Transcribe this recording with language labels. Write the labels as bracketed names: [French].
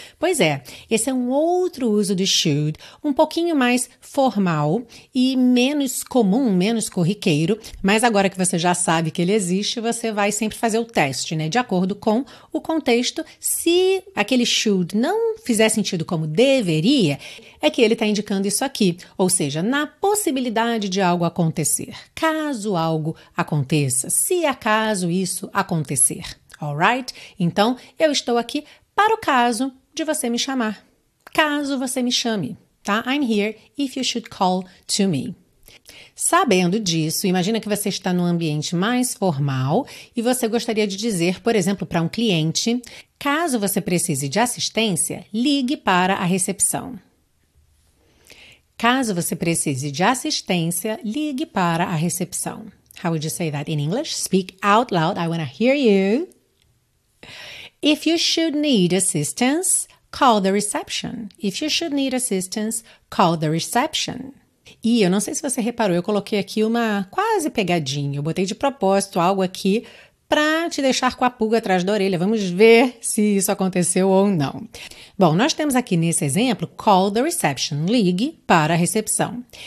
[Portuguese] Pois é, esse é um outro uso do should, um pouquinho mais formal e menos comum, menos corriqueiro, mas agora que você já sabe que ele existe, você vai sempre fazer o teste, né? De acordo com o contexto, se aquele should não fizer sentido como deveria, é que ele está indicando isso aqui, ou seja, na possibilidade de algo acontecer, caso algo aconteça, se acaso isso acontecer, alright? Então, eu estou aqui para o caso de você me chamar, caso você me chame, tá? [English] I'm here if you should call to me. [Portuguese] Sabendo disso, imagina que você está num ambiente mais formal e você gostaria de dizer, por exemplo, para um cliente: caso você precise de assistência, ligue para a recepção. Caso você precise de assistência, ligue para a recepção. [English] How would you say that in English? Speak out loud. I want to hear you. If you should need assistance, call the reception. If you should need assistance, call the reception. [Portuguese] E eu não sei se você reparou, eu coloquei aqui uma quase pegadinha. Eu botei de propósito algo aqui para te deixar com a pulga atrás da orelha. Vamos ver se isso aconteceu ou não. Bom, nós temos aqui nesse exemplo, [English] call the reception, [Portuguese] ligue para a recepção.